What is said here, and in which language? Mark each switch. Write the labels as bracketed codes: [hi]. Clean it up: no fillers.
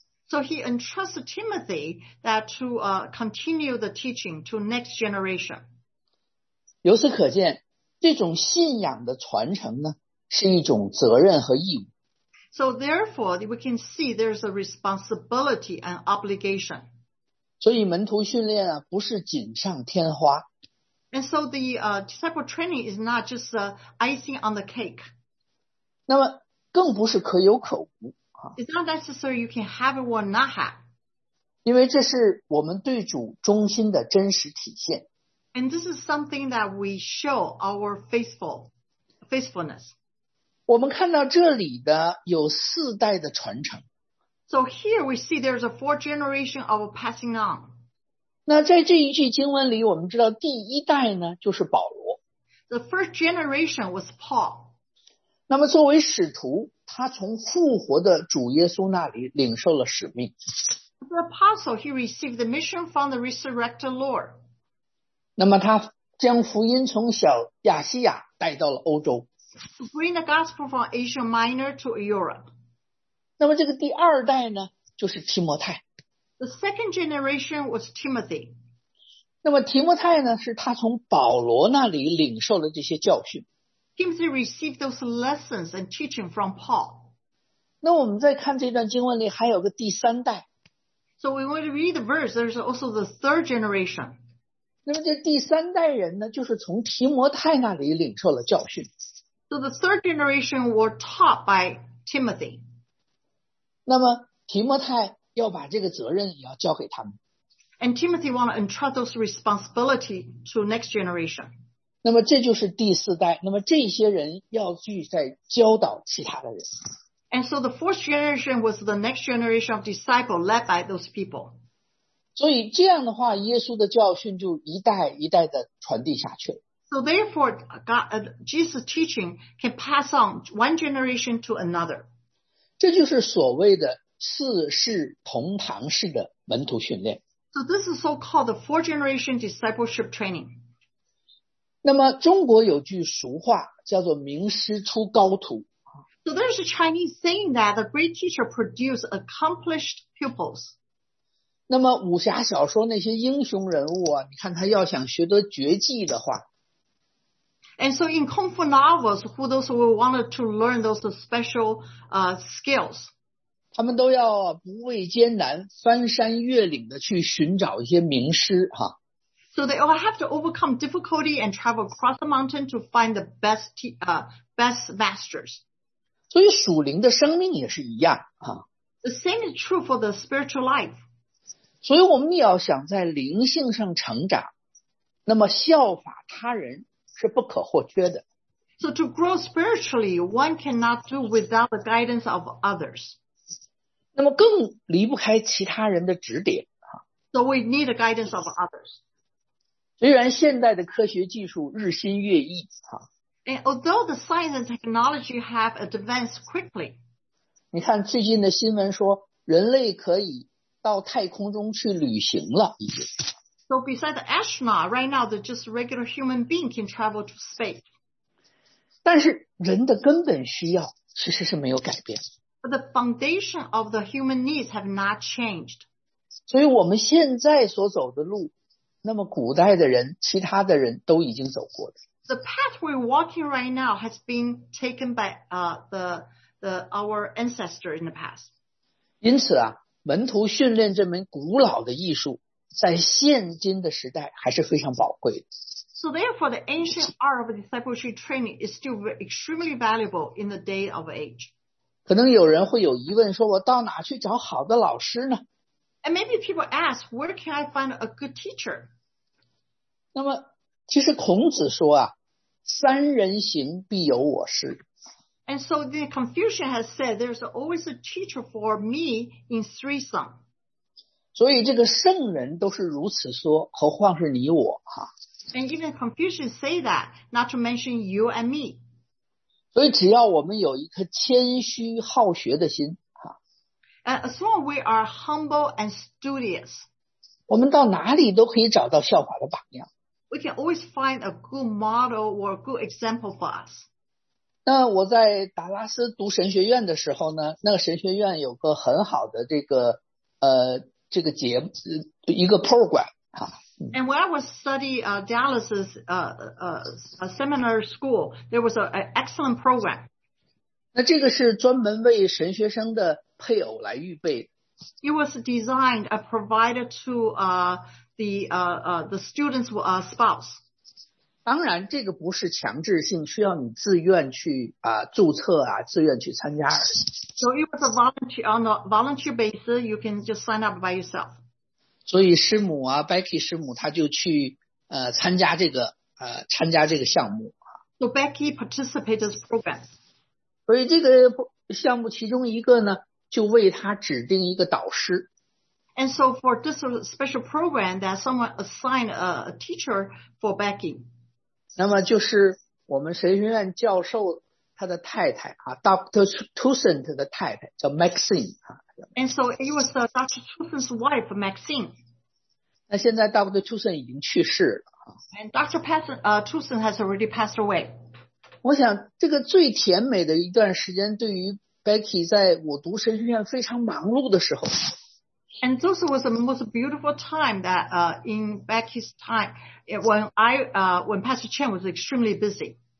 [en] So he entrusted Timothy that to continue the teaching to next generation. [zh] 由此可见，这种信仰的传承呢，是一种责任和义务。 [en] So therefore, we can see there's a responsibility and obligation. [zh] 所以门徒训练啊，不是锦上添花。 [en] And so the disciple training is not just icing on the cake. [zh] 那么更不是可有可无。 [en] It's not necessary you can have it or not have. [zh] 因为这是我们对主忠心的真实体现。 [en] And this is something that we show our faithfulness. [zh] 我们看到这里的有四代的传承。 [en] So here we see there's a four generation of passing on. [zh] 那在这一句经文里，我们知道第一代呢，就是保罗。 [en] The first generation was Paul. [zh] 那么作为使徒，他从复活的主耶稣那里领受了使命。 [en] The apostle, he received the mission from the resurrected Lord. [zh] 那么他将福音从小亚细亚带到了欧洲。 [en] Bring the gospel from Asia Minor to Europe. [zh] 那么这个第二代呢，就是提摩太。 [en] The second generation was Timothy. [zh] 那么提摩太呢，是他从保罗那里领受了这些教训。 [en] Timothy received those lessons and teaching from Paul. [zh] 那我们再看这段经文里还有个第三代。 [en] So when we read the verse, there's also the third generation. [zh] 那么这第三代人呢，就是从提摩太那里领受了教训。 [en] So the third generation were taught by Timothy. [zh] 那么提摩太要把这个责任也要交给他们。 [en] And Timothy want to entrust those responsibility to next generation. [zh] 那么这就是第四代，那么这些人要继续在教导其他的人。 [en] And so the fourth generation was the next generation of disciples led by those people. [zh] 所以这样的话，耶稣的教训就一代一代的传递下去。 [en] So therefore, Jesus' teaching can pass on one generation to another. [zh] 这就是所谓的四世同堂式的门徒训练。 [en] So this is so-called the four-generation discipleship training. [zh] 那么中国有句俗话叫做“名师出高徒”。 [en] So there's a Chinese saying that a great teacher produces accomplished pupils. [zh] 那么武侠小说那些英雄人物啊，你看他要想学得绝技的话。 [en] And so in Kung Fu novels, who those who wanted to learn those special skills? [zh] 他们都要不畏艰难，翻山越岭的去寻找一些名师哈。 [en] So they all have to overcome difficulty and travel across the mountain to find the best masters. [zh] 所以属灵的生命也是一样哈。 [en] The same is true for the spiritual life. [zh] 所以我们要想在灵性上成长，那么效法他人是不可或缺的。 [en] So to grow spiritually, one cannot do without the guidance of others. [zh] 那么更离不开其他人的指点。 [en] So we need the guidance of others. [zh] 虽然现代的科学技术日新月异啊。 [en] And although the science and technology have advanced quickly, [zh] 你看最近的新闻说人类可以到太空中去旅行了。 [en] So beside the astronaut, right now, the just regular human being can travel to space. [zh] 但是人的根本需要其实是没有改变。 [en] But the foundation of the human needs have not changed. [zh] 所以我们现在所走的路那么古代的人其他的人都已经走过了。 [en] The path we're walking right now has been taken by our ancestor in the past. [zh] 因此啊门徒训练这门古老的艺术在现今的时代还是非常宝贵的。 [en] So therefore, the ancient art of discipleship training is still extremely valuable in the day of age. [zh] 可能有人会有疑问说我到哪去找好的老师呢？ [en] And maybe people ask, where can I find a good teacher? [zh] 那么其实孔子说啊三人行必有我师。 [en] And so the Confucian has said, there's always a teacher for me in threesome. [zh] 所以这个圣人都是如此说何况是你我啊。 [en] And even Confucian say that, not to mention you and me. [zh] 所以只要我们有一颗谦虚好学的心啊。 [en] And as long as we are humble and studious. [zh] 我们到哪里都可以找到效法的榜样。 [en] We can always find a good model or a good example for us. [zh] 那我在达拉斯读神学院的时候呢，那个神学院有个很好的这个节目，一个 program 啊。 [en] And when I was studying Dallas's seminary school, there was an excellent program. [zh] 那这个是专门为神学生的配偶来预备的。 [en] It was designed and provided to the student's spouse. [zh] 当然这个不是强制性需要你自愿去注册啊自愿去参加。 [en] So it was on a volunteer basis, you can just sign up by yourself. [zh] 所以师母啊 ,Becky 师母她就去参加这个项目。 [en] So Becky participated in this program. [zh] 所以这个项目其中一个呢就为她指定一个导师。 [en] And so for this special program that someone assigned a teacher for Becky. [zh] 那么就是我们神学院教授他的太太啊 ,Dr. Toussaint 的太太叫 Maxine. [en] And so it was Dr. Toussaint's wife, Maxine. [zh] 那现在 Dr. Toussaint 已经去世了。 [en] And Dr. Toussaint has already passed away. [zh] 我想这个最甜美的一段时间对于 Becky 在我读神学院非常忙碌的时候。 [en] And this was the most beautiful time that in Becky's time, when Pastor Chen was extremely busy.